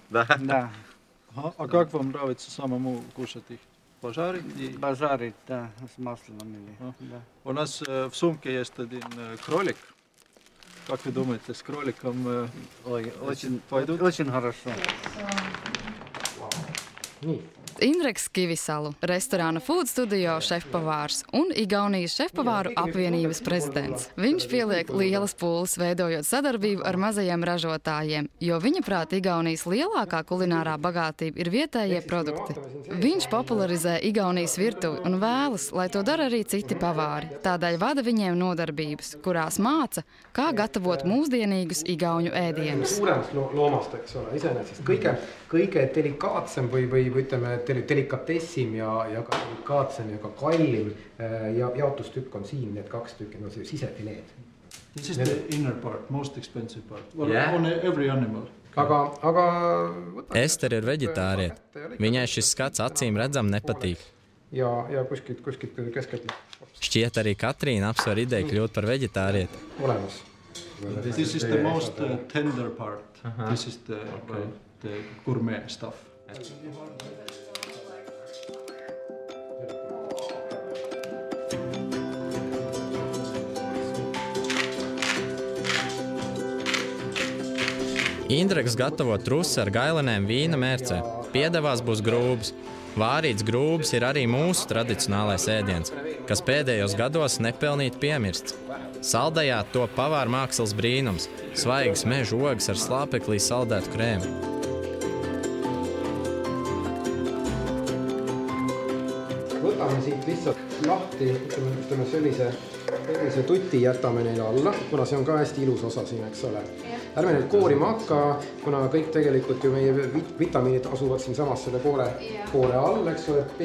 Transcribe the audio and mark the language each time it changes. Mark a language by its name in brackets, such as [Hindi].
[Russian] Да. Да. А как вам нравится самому кушать их? Пожарить? Пожарить, да, с маслом или... У нас в сумке есть один кролик. Как вы думаете, с кроликом пойдут? Очень хорошо. [Latvian] Indreks Kivisalu, restorāna Food Studio šefpavārs un Igaunijas šefpavāru apvienības prezidents. Viņš pieliek lielas pūles, veidojot sadarbību ar mazajiem ražotājiem, jo viņa prāt Igaunijas lielākā kulinārā bagātība ir vietējie produkti. Viņš popularizē Igaunijas virtuvi un vēlas, lai to dara arī citi pavāri. Tādēļ vada viņiem nodarbības, kurās māca, kā gatavot mūsdienīgus Igauņu ēdienus. [Estonian] Suurems lomast, eks ole, izainās, kõige delikaatsem või ütleme, delikatessim ja ka delikaatsem ja ka kallim jaotustükk on siin, need kaks tükki, no see on sisefileed. [English] This is the inner part, most expensive part. Well, yeah. On every animal. [Estonian] Aga... [Latvian] Ester ir vegetāriet. Viņai šis skats acīm redzam nepatīk. [Estonian] Ja kuskit keskatli. [Latvian] Šķiet arī Katrīna apsver ideju kļūt par vegetāriet. [Estonian] Olemas. [English] This is the most tender part. Uh-huh. This is the... Okay. Gourmet stuff. [Latvian] Indreks gatavo trusi ar gailenēm vīna mērcē. Piedevās būs grūbs. Vārīts grūbs ir arī mūsu tradicionālais ēdiens, kas pēdējos gados nepelnīti piemirsts. Saldajā to pavāra mākslas brīnums – svaigas meža ogas ar slāpeklī saldētu krēmu. [Estonian] Võtame siit lihtsalt lahti, ütleme sellise tuti jätame neil alla, kuna see on ka hästi ilus osa siin, eks ole. Ja. Ärme nüüd koorima hakka, kuna kõik tegelikult ju meie vitamiinid asuvad siin samas selle koore all, eks ole.